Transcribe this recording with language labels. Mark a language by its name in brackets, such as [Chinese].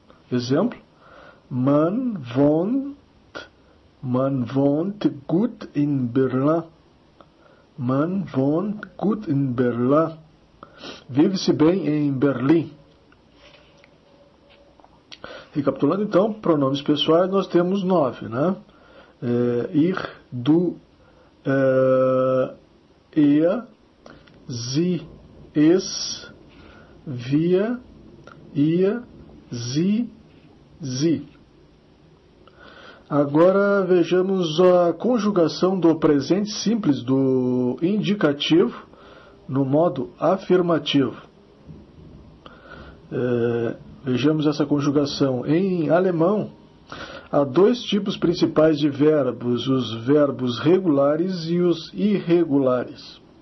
[German] Exemplo: man von. Man wohnt gut in Berlin. Man wohnt gut in Berlin. [Portuguese] Vive-se bem em Berlim. Recapitulando então, pronomes pessoais, nós temos nove, né? [German] Ich, du, er, sie, es, wir, ihr, sie. [Portuguese] Agora vejamos a conjugação do presente simples do indicativo no modo afirmativo. Vejamos essa conjugação. Em alemão, há dois tipos principais de verbos, os verbos regulares e os irregulares.